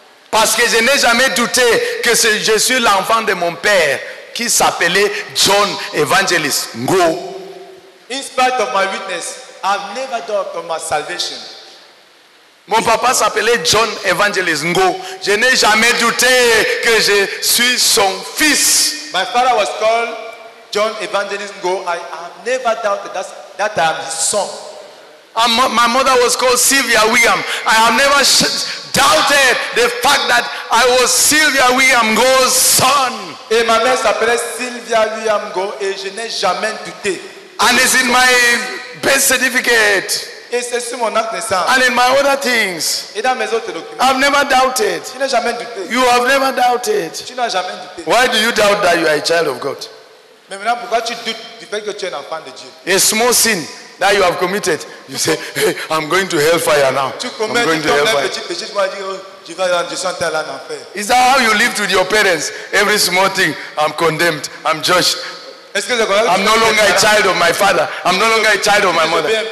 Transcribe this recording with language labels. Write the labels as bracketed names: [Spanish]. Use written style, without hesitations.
[French] Parce que je n'ai jamais douté que je suis l'enfant de mon père qui s'appelait John Evangelist Ngo. [English] In spite of my weakness, I've never doubted on my salvation. [French] Mon papa s'appelait John Evangelist Ngo. Je n'ai jamais douté que je suis son fils. [English] My father was called John Evangelist Ngo. I have never doubted that I am his son. And my mother was called Sylvia William. I have never doubted the fact that I was Sylvia William Ngo's son. [French] Et ma mère s'appelait Sylvia William Ngo et je n'ai jamais douté. [English] And it's in my birth certificate. [French] Et c'est sur mon acte de naissance. [English] And in my other things. [French] Et dans mes autres documents. [English] I've never doubted. [French] Tu n'as jamais douté. [English] You have never doubted. [French] Tu n'as jamais douté. [English] Why do you doubt that you are a child of God? [French] Mais maintenant, pourquoi tu doutes du fait que tu es un enfant de Dieu? [English] A small sin that you have committed. You say, hey, I'm going to hellfire now. [French] Tu commets un petit péché, tu vas dire, oh, tu vas rendre sans terre en enfer. [English] Is that how you live with your parents? Every small thing, I'm condemned, I'm judged. I'm no longer a child of my father. I'm no longer a child of my mother.